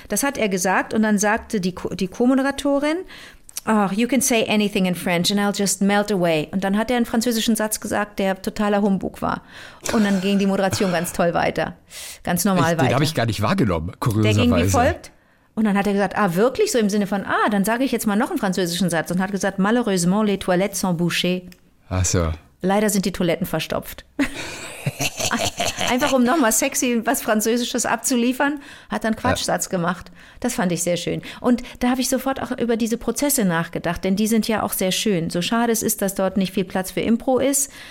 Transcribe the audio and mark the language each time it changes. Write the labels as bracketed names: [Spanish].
[German] Das hat er gesagt und dann sagte die Co-Moderatorin: [English] Oh, you can say anything in French and I'll just melt away. [German] Und dann hat er einen französischen Satz gesagt, der totaler Humbug war. Und dann ging die Moderation ganz toll weiter. Ganz normal weiter. Den habe ich gar nicht wahrgenommen, kurioserweise. Der ging wie folgt. Und dann hat er gesagt, ah, wirklich? So im Sinne von, ah, dann sage ich jetzt mal noch einen französischen Satz. Und hat gesagt, [French] malheureusement, les toilettes sont bouchées. [German] Ach so. Leider sind die Toiletten verstopft. Einfach um nochmal sexy was Französisches abzuliefern, hat dann Quatschsatz gemacht. Das fand ich sehr schön. Und da habe ich sofort auch über diese Prozesse nachgedacht, denn die sind ja auch sehr schön. So schade es ist, dass dort nicht viel Platz für Impro ist.